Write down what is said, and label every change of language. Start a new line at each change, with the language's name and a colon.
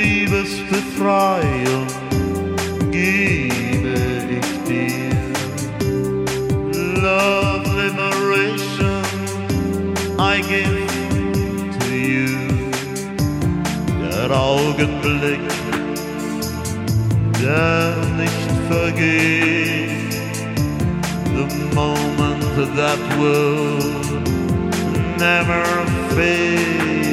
German: Liebesbefreiung gebe ich dir.
English: Love liberation I give to you.
German: Der Augenblick, der nicht vergeht.
English: The moment that will never fade.